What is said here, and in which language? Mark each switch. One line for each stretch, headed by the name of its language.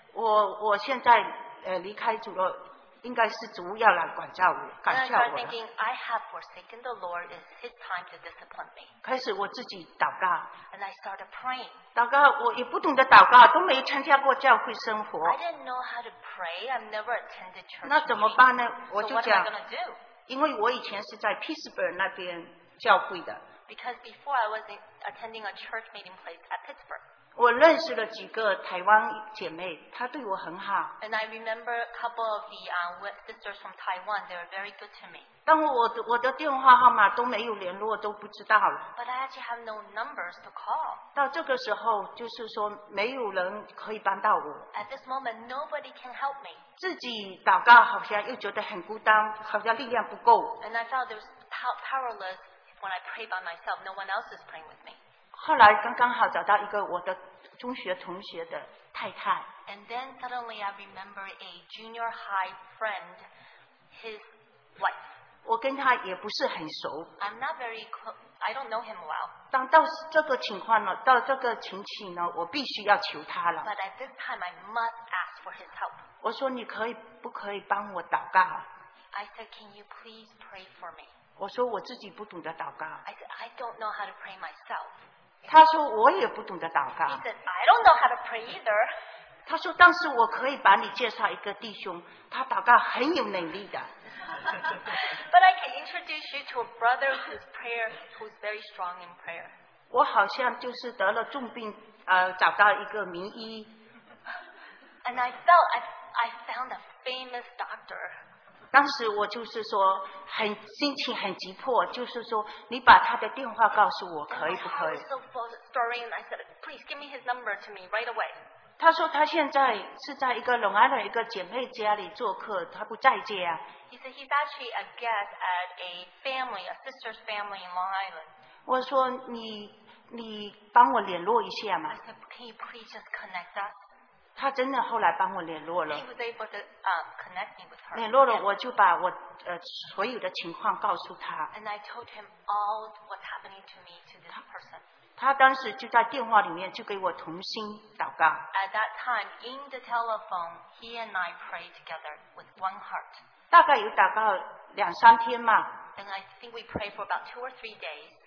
Chinese: 我现在离开主了，应该是主要来管教我，管教我。
English: And I started thinking I have forsaken the Lord. It's His time to discipline me.
Chinese: 开始我自己祷告。
English: And I started praying.
Chinese: 祷告我也不懂得祷告，都没参加过教会生活。
English: I didn't know how to pray. I've never attended church.
Chinese: 那怎么办呢？我就讲。
English: So what am I going to do?
Chinese: 因为我以前是在 Pittsburgh 那边教会的。
English: Because before I was attending a church meeting place at Pittsburgh.
Chinese: 我认识了几个台湾姐妹，她对我很好。
English: And I remember a couple of the sisters from Taiwan. They were very good to me.
Chinese: 但我的电话号码都没有联络，都不知道了。
English: But I actually have no numbers to call.
Chinese: 到这个时候，就是说没有人可以帮到我。
English: At this moment, nobody can help me.
Chinese: 自己祷告好像又觉得很孤单，好像力量不够。
English: And I felt there was powerless. When I pray by myself, no one else is praying with me.
Chinese: 后来刚刚好找到一个我的中学同学的太太。
English: And then suddenly I remember a junior high friend, his wife.
Chinese: 我跟他也不是很熟。
English: I'm not very I don't know him well.
Chinese: 当到这个情况了，到这个情形了，我必须要求他了。
English: But at this time, I must ask for his help.
Chinese: 我说你可以不可以帮我祷告
English: ？I said, can you please pray for me?
Chinese: 我说我自己不懂得祷告。
English: I said, I don't know how to pray myself.
Chinese: 他说我也不懂得祷告。
English: He said, I don't know how to pray either.
Chinese: 他说但是我可以把你介绍一个弟兄，他祷告很有能力的。
English: But I can introduce you to a brother whose prayer, who's very strong in prayer.
Chinese: 我好像就是得了重病，找到一个名医。
English: And I felt I found a famous doctor.
Chinese: 当时我就是说很心情很急迫，就是说你把他的电话告诉我可以不可以
English: ？So for story, and I said, please give me his number to me right away.
Chinese: 他说他现在是在一个龙安的一个姐妹家里做客，他不在家。
English: He said he's actually a guest at a family, a sister's family in Long Island.
Chinese: 我说你帮我联络一下嘛。
English: I said, can you please just connect us?
Chinese: 他真的后来帮我联络了。
English: He was able to connect me with her.
Chinese: 联络了我就把我所有的情况告诉他。
English: And I told him all what's happening to me to this person.
Chinese: 他当时就在电话里面就给我同心祷告。
English: At that time, in the telephone, he and I prayed together with one heart.
Chinese: 大概有祷告两三天嘛。
English: And I think we pray for about two or three days.